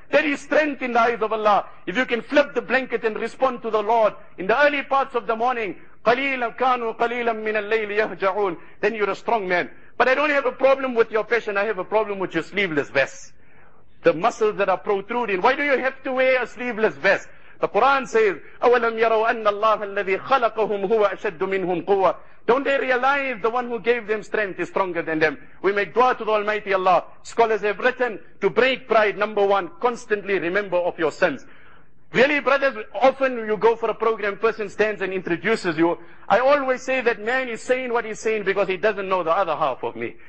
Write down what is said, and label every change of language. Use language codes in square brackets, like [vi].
[en] There is strength in the eyes of Allah. If you can flip the blanket and respond to the Lord in the early parts of the morning, [ar] قَلِيلًا كَانُوا قَلِيلًا مِنَ اللَّيْلِ يَهْجَعُونَ [en] Then you're a strong man. But I don't have a problem with your passion. I have a problem with your sleeveless vest. The muscles that are protruding. Why do you have to wear a sleeveless vest? The Quran says, [ar] أَوَلَمْ يَرَوْا أَنَّ اللَّهَ الَّذِي خَلَقَهُمْ هُوَ أَشَدُّ مِنْهُمْ قُوَّةً. [en] Don't they realize the one who gave them strength is stronger than them? We make dua to the Almighty Allah. Scholars have written to break pride, number one, constantly remember of your sins. Really, brothers, often you go for a program, person stands and introduces you. I always say that man is saying what he's saying because he doesn't know the other half of me.